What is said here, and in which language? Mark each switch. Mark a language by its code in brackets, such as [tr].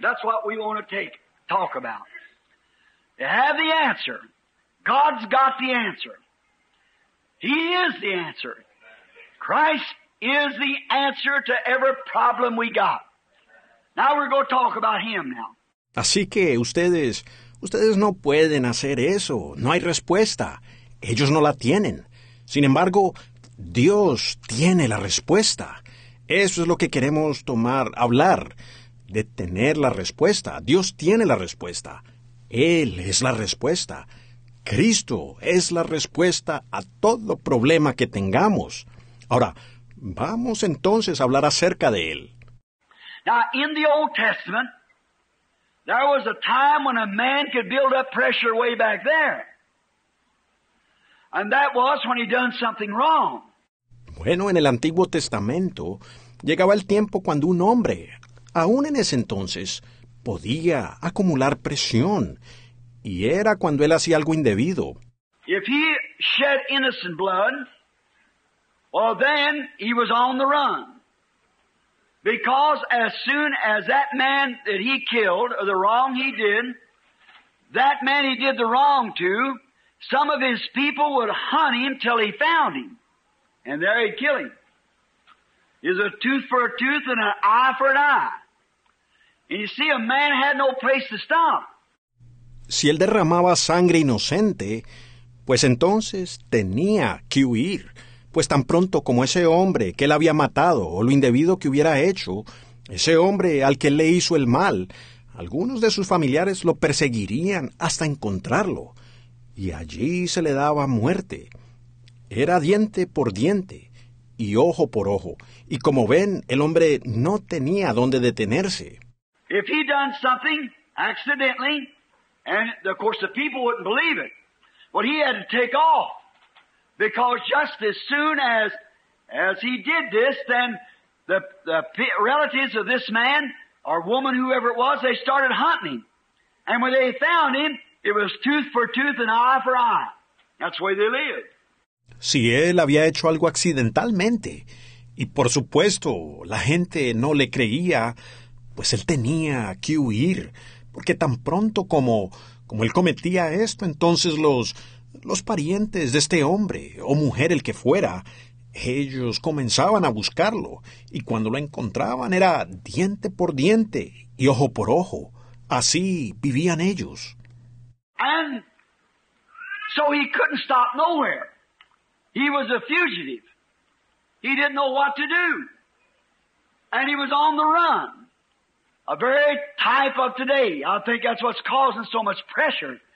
[en] That's what we want to talk about. They have the answer. God's got the answer. He is the answer. Christ is the answer to every problem we got. Now we're going to talk about him now. [es] Así que ustedes no pueden hacer eso. No hay respuesta. Ellos no la tienen. Sin embargo, Dios tiene la respuesta. Eso es lo que queremos hablar, de tener la respuesta. Dios tiene la respuesta. Él es la respuesta. Cristo es la respuesta a todo problema que tengamos. Ahora, vamos entonces a hablar acerca de Él. [en] Now, in the Old Testament, there was a time when a man could build up pressure way back there. And that was when he done something wrong. [es] Bueno, en el Antiguo Testamento, llegaba el tiempo cuando un hombre, aún en ese entonces, podía acumular presión. Y era cuando él hacía algo indebido. [en] If he shed innocent blood, well, then he was on the run. Because as soon as that man that he killed, or the wrong he did, that man he did the wrong to, some of his people would hunt him till he found him. And there he'd kill him. Is a tooth for a tooth and an eye for an eye. And you see, a man had no place to stop. [es] Si él derramaba sangre inocente, pues entonces tenía que huir. Pues tan pronto como ese hombre que él había matado o lo indebido que hubiera hecho, ese hombre al que él le hizo el mal, algunos de sus familiares lo perseguirían hasta encontrarlo. Y allí se le daba muerte. Era diente por diente y ojo por ojo. Y como ven, el hombre no tenía dónde detenerse. [en] If he done something accidentally, and of course the people wouldn't believe it, but he had to take off. Because just as soon as he did this, then the relatives of this man, or woman, whoever it was, they started hunting him. And when they found him, it was tooth for tooth and eye for eye. That's the way they lived. [es] Si él había hecho algo accidentalmente, y por supuesto la gente no le creía, pues él tenía que huir. Porque tan pronto como él cometía esto, entonces los parientes de este hombre, o mujer el que fuera, ellos comenzaban a buscarlo, y cuando lo encontraban era diente por diente y ojo por ojo. Así vivían ellos. [en] And so he couldn't stop nowhere. He was a fugitive. He didn't know what to do. And he was on the run. A very type of today. I think that's what's causing so much pressure.